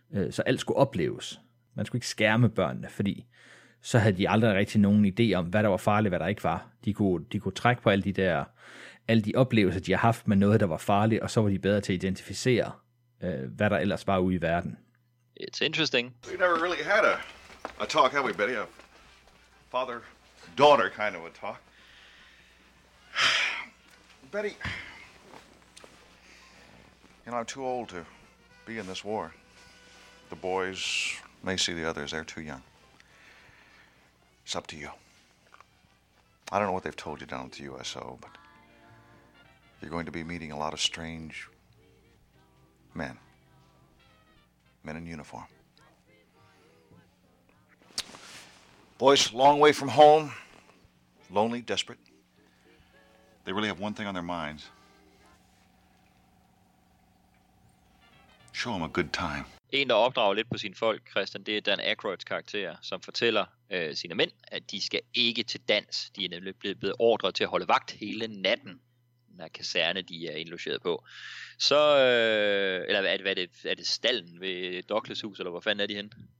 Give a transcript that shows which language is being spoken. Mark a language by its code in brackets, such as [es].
[da] Så alt skulle opleves. Man skulle ikke skærme børnene, fordi så havde de aldrig rigtig nogen idé om, hvad der var farligt, hvad der ikke var. De kunne trække på alle de oplevelser, de har haft med noget, der var farligt, og så var de bedre til at identificere, hvad der ellers var ude i verden. [en] It's interesting. We never really had a talk, have we, Betty? A father-daughter kind of a talk. Betty, you know, I'm too old to be in this war. The boys may see the others. They're too young. It's up to you. I don't know what they've told you down at the USO, but you're going to be meeting a lot of strange men. Men in uniform. Boys, long way from home. Lonely, desperate. They really have one thing on their minds. Show them a good time. [da] En, der opdrager lidt på sine folk, Christian, det er Dan Aykroyds karakter, som fortæller sine mænd, at de skal ikke til dans. De er nemlig blevet ordret til at holde vagt hele natten. Af kaserne, de er indlogeret på. Så, eller er det stallen ved Douglas' hus, eller hvor fanden er de henne?